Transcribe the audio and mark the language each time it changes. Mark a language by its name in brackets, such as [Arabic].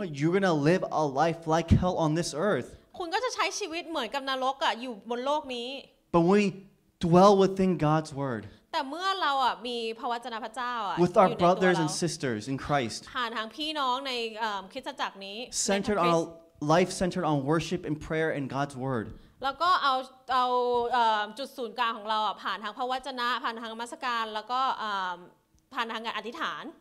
[English] You're gonna live a life like hell on this earth [Thai] คุณก็จะใช้ชีวิตเหมือนกับนรกอยู่บนโลกนี้ [English] But we dwell within God's word [Thai] แต่เมื่อเรามีพระวจนะพระเจ้า [English] With our brothers and sisters in Christ [Thai] ผ่านทางพี่น้องในคริสตจักรนี้ [English] Centered onLife centered on worship and prayer and God's word. [Thai] แล้วก็เอาจุดศูนย์กลางของเราผ่านทางพระวจนะผ่านทางมัสการแล้วก็ผ่านทางการอธิษฐาน